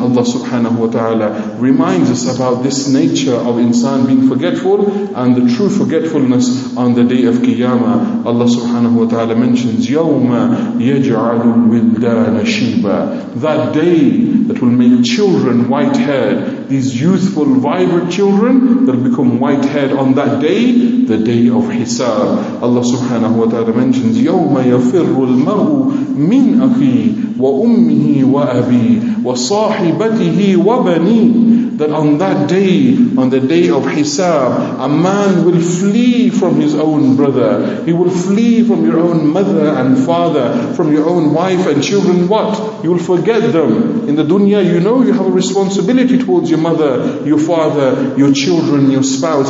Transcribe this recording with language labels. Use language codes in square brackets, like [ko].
[en] Allah subhanahu wa ta'ala reminds us about this nature of insan being forgetful and the true forgetfulness on the day of Qiyamah. Allah subhanahu wa ta'ala mentions [ar] يَوْمَ يَجْعَلُ الْوِلْدَانَ شِيبًا, [en] that day that will make children white-haired. These youthful, vibrant children that will become white-haired on that day, the day of Hisab. [ar] Allah subhanahu wa ta'ala mentions, يَوْمَ يَفِرُّ الْمَرْءُ مِنْ أَخِيهِ وَأُمِّهِ وَأَبِيهِ وَصَاحِبَتِهِ وَبَنِيهِ. [en] That on that day, on the day of Hisab, a man will flee from his own brother. He will flee from your own mother and father, from your own wife and children. What? You will forget them. In the dunya, you know you have a responsibility towards your mother, your father, your children, your spouse.